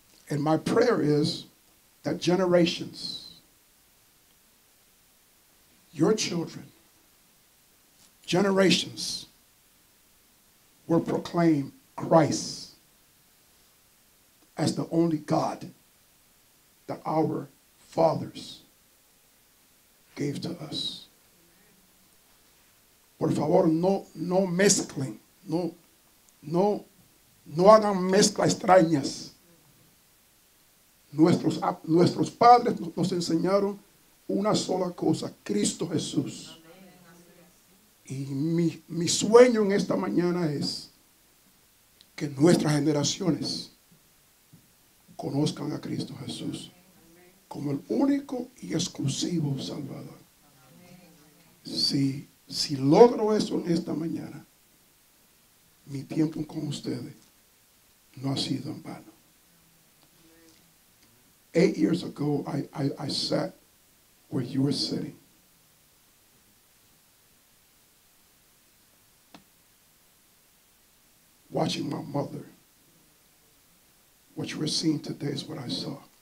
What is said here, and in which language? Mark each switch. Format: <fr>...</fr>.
<en>And my prayer is that generations, your children, generations will proclaim Christ as the only God that our fathers gave to us.</en> <es>Por favor, no mezclen, no hagan mezclas extrañas. Nuestros padres nos enseñaron una sola cosa, Cristo Jesús. Y mi sueño en esta mañana es que nuestras generaciones conozcan a Cristo Jesús como el único y exclusivo Salvador. Si logro eso en esta mañana, mi tiempo con ustedes no ha sido en vano.</es> <en>8 years ago, I sat where you were sitting. Watching my mother. What you were seeing today is what I saw.</en>